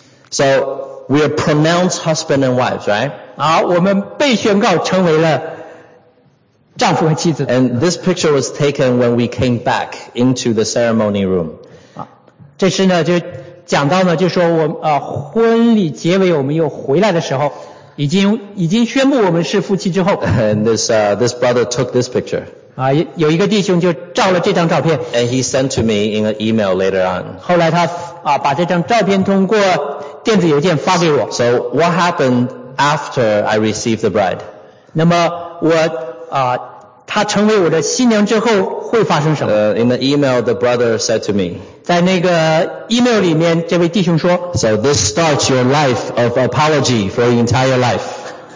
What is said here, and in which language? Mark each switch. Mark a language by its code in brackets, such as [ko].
[en] So,We are pronounced husband and wives, right? [zh] 好，我们被宣告成为了丈夫和妻子。 [en] And this picture was taken when we came back into the ceremony room. [zh] 这是呢，就讲到呢，就说我婚礼结尾，我们又回来的时候，已经宣布我们是夫妻之后。 [en] And this this brother took this picture. [zh] 有一个弟兄就照了这张照片。 [en] And he sent to me in an email later on. [zh] 后来他把这张照片通过电子邮件发给我。 [en] So what happened after I received the bride? [zh] 那么我他成为我的新娘之后会发生什么？ [en] In the email, the brother said to me. [zh] 在那个 email 里面，这位弟兄说。 [en] So this starts your life of apology for your entire life.